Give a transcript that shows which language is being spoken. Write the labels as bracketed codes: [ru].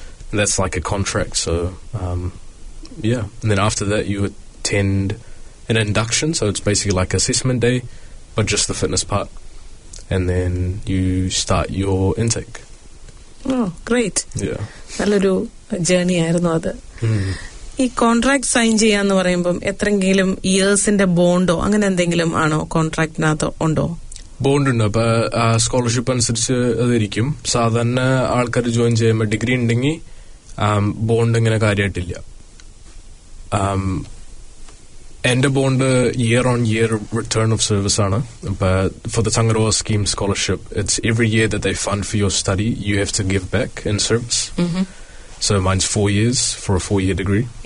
[en] That's like a contract, so yeah. And then after that, you attend an induction, so it's basically like assessment day. but just the fitness part, and then you start your intake. Oh, great. Yeah. [ml] നല്ലൊരു journey ആയിരുന്നു അത്. ഈ contract sign ചെയ്യാന്ന് പറയുമ്പം എത്രയെങ്കിലും ഇയേഴ്സിന്റെ ബോണ്ടോ അങ്ങനെ എന്തെങ്കിലും ആണോ കോൺട്രാക്ടിനകത്ത് ഉണ്ടോ? ബോണ്ട് ഉണ്ട്, അപ്പൊ സ്കോളർഷിപ്പ് അനുസരിച്ച് അതിരിക്കും. സാധാരണ ആൾക്കാർ ജോയിൻ ചെയ്യുമ്പോൾ ഡിഗ്രി ഉണ്ടെങ്കിൽ ബോണ്ട് ഇങ്ങനെ കാര്യമായിട്ടില്ല. എന്റെ bond [en] Year on year return of service ആണ്. അപ്പോൾ for the സംഗരോ scheme scholarship it's every year the fund for your study you have to give back in service. So mine's 4 years for a 4-year degree.